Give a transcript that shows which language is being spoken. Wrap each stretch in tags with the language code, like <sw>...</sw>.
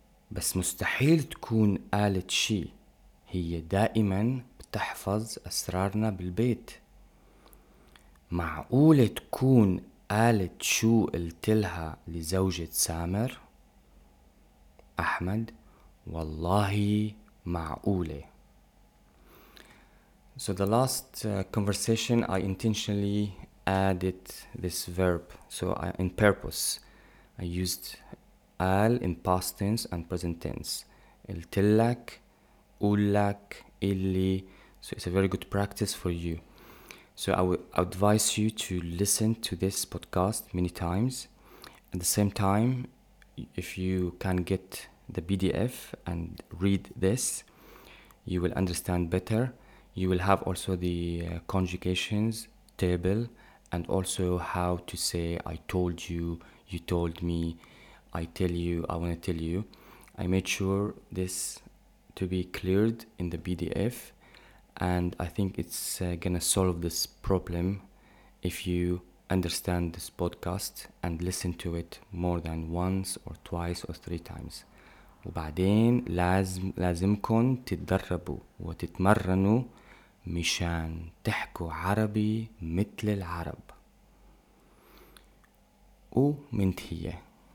<ar>بس مستحيل تكون قالت شي, هي دائما بتحفظ أسرارنا بالبيت. معقولة تكون قالت شو قلت لها لزوجة سامر؟ أحمد, والله معقولة.</ar> <en>So the last conversation, I intentionally added this verb. So in purpose, I used al in past tense and present tense. Iltillak, ullak, illi. So it's a very good practice for you. So I would advise you to listen to this podcast many times. At the same time, if you can get the PDF and read this, you will understand better. You will have also the conjugations table and also how to say I told you, you told me, I tell you, I want to tell you. I made sure this to be cleared in the PDF, and I think it's gonna solve this problem if you understand this podcast and listen to it more than once or twice or three times.</en> <ar>وبعدين لازمكم تتدربوا وتتمرنوا مشان تحكوا عربي مثل العرب. ومنتهيه.</ar>